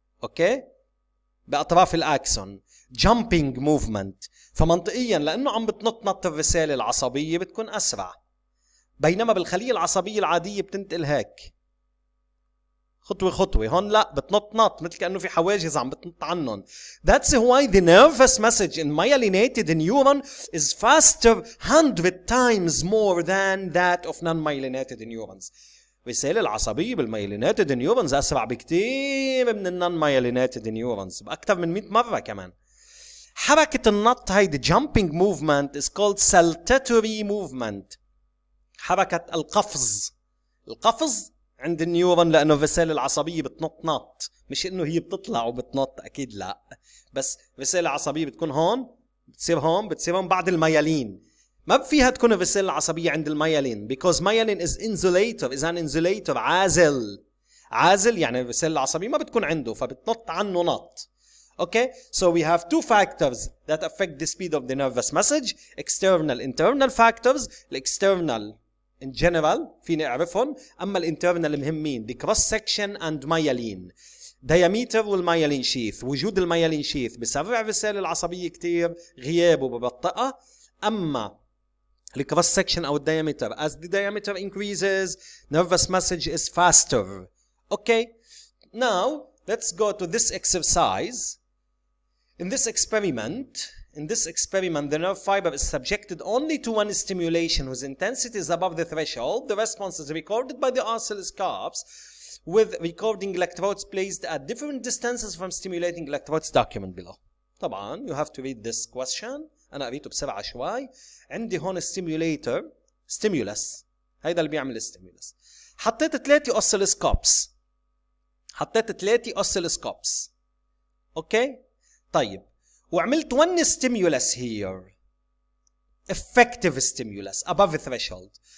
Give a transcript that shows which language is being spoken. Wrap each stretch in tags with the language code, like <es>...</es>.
<ar>أوكي؟ بأطراف الأكسون</ar> <en>jumping movement،</en> <ar>فمنطقيا لأنه عم بتنط نط الرسالة العصبية بتكون أسرع، بينما بالخلية العصبية العادية بتنتقل هيك خطوة خطوة. هون لا، بتنط نط مثل كأنه في حواجز عم بتنط عنهم.</ar> <en>That's why the nervous message in myelinated neuron is faster 100 times more than that of non-myelinated neurons.</en> <ar>الرسالة العصبية بالميلينيتد نيورونز أسرع بكتير من النون ميلينيتد نيورونز بأكتر من 100 مرة كمان. حركة النط هاي</ar> <en>the jumping movement is called saltatory movement،</en> <ar>حركة القفز. القفز عند النيورون لأنه الرسالة العصبية بتنط نط، مش إنه هي بتطلع وبتنط، أكيد لا، بس الرسالة العصبية بتكون هون بتصير هون بتصير هون بعد الميلين. ما فيها تكون الرسالة العصبية عند الميلين</ar> <en>because myelin is insulator، is an insulator،</en> <ar>عازل. عازل يعني الرسالة العصبية ما بتكون عنده، فبتنط عنه نط.</ar> <en>Okay, so we have two factors that affect the speed of the nervous message: external, internal factors. The external in general</en> <ar>فيني أعرفهم، أما الانترنال مهمين</ar> <en>the cross section and myelin.</en> <ar>دياميتر والميلين شيث، وجود الميلين شيث بسرع الرسالة العصبية كتير، غيابه ببطئة. أما</ar> <en>the cross section or diameter, as the diameter increases, nervous message is faster. Okay, now let's go to this exercise. In this experiment, the nerve fiber is subjected only to one stimulation whose intensity is above the threshold. The response is recorded by the oscilloscopes with recording electrodes placed at different distances from stimulating electrodes. Document below.</en> <ar>طبعاً,</ar> <en>you have to read this question.</en> <ar>أنا قريته بسرعة شوي. عندي هون stimulator، stimulus، هيدا اللي بيعمل stimulus. حطيت ثلاثة</ar> <en>oscilloscopes،</en> <ar>أوكي؟ طيب، وعملت</ar> <en>one stimulus here، effective stimulus above the threshold.</en>